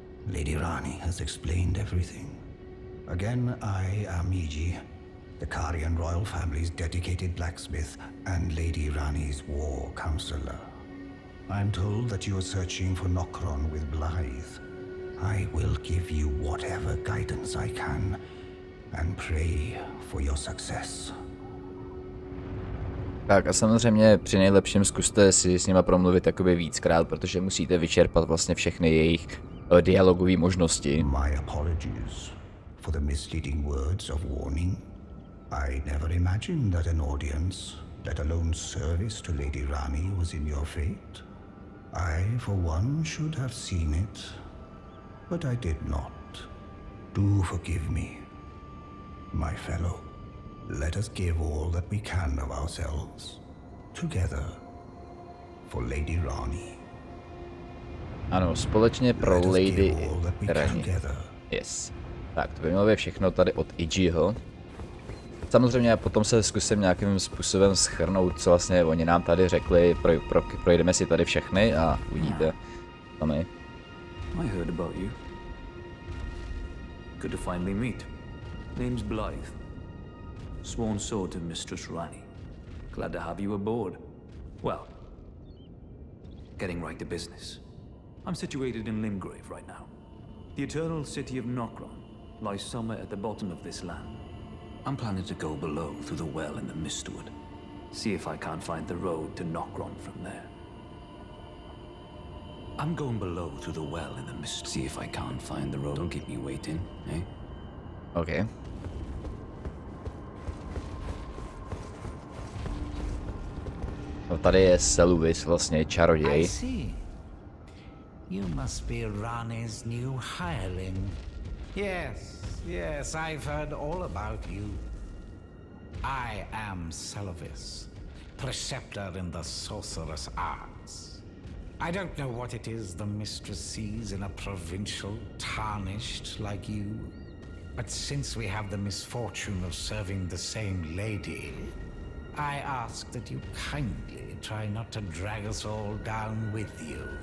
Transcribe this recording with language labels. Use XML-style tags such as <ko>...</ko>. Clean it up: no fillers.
<en>Lady Rani has explained everything. Again, I am Iggy, the Carian royal family's dedicated blacksmith and Lady Rani's war counselor. I am told that you are searching for Nokron with Blythe. I will give you whatever guidance I can and pray for your success.</en> <cs>Tak a samozřejmě při nejlepším zkuste si s nima promluvit jakoby víckrát, protože musíte vyčerpat vlastně všechny jejich dialogové možnosti.</cs> <en>My apologies. For the misleading words of warning, I never imagined that an audience, let alone service to Lady Rani, was in your fate. I, for one, should have seen it, but I did not. Do forgive me, my fellow. Let us give all that we can of ourselves, together, for Lady Rani.</en> <cs>Ano, společně pro Lady Rani. Yes. Tak, to by mělo být všechno tady od Iggyho. Samozřejmě potom se zkusím nějakým způsobem shrnout, co vlastně oni nám tady řekli. Projdeme si tady všechny a uvidíte sami.</cs> <en>I heard about you. Good to finally meet. Name's Blythe. Sworn sword to Mistress Rani. Glad to have you aboard. Well, getting right to business. I'm situated in Limgrave right now. The eternal city of Nokron. Lies somewhere at the bottom of this land. I'm planning to go below through the well in the Mistwood. See if I can't find the road to Nokron from there. I'm going below through the well in the Mistwood. See if I can't find the road. Don't keep me waiting, eh? Okay.</en> <cs>No, tady je Seluvis vlastně čaroděj.</cs> <en>I see. You must be Rani's new hireling. Yes, yes, I've heard all about you. I am Seluvis, preceptor in the sorcerous arts. I don't know what it is the mistress sees in a provincial tarnished like you, but since we have the misfortune of serving the same lady, I ask that you kindly try not to drag us all down with you.</en>